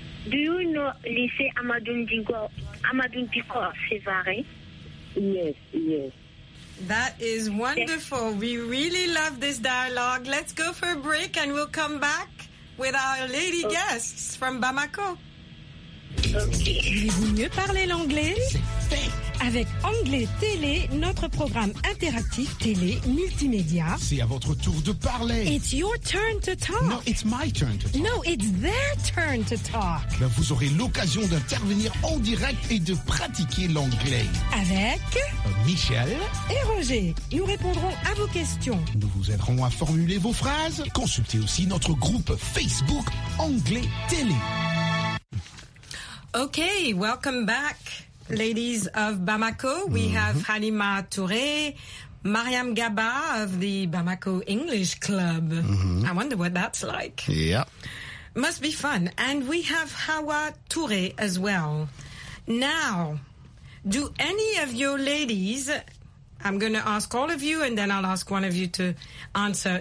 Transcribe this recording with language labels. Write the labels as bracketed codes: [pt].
[en] Do you know Lycée Amadou Diko Sevare? Yes. That is wonderful. Yes. We really love this dialogue. Let's go for a break and we'll come back with our lady guests from Bamako. Okay. [fr] Voulez-vous mieux parler l'anglais? Avec Anglais Télé, notre programme interactif télé multimédia. C'est à votre tour de parler. [en] It's your turn to talk. No, it's my turn to talk. No, it's their turn to talk. [fr] Ben, vous aurez l'occasion d'intervenir en direct et de pratiquer l'anglais. Avec Michel et Roger. Nous répondrons à vos questions. Nous vous aiderons à formuler vos phrases. Consultez aussi notre groupe Facebook Anglais Télé. [en] Okay, welcome back. Ladies of Bamako, we have Halima Touré, Mariam Gaba of the Bamako English Club. Mm-hmm. I wonder what that's like. Yeah. Must be fun. And we have Hawa Touré as well. Now, do any of your ladies, I'm going to ask all of you and then I'll ask one of you to answer.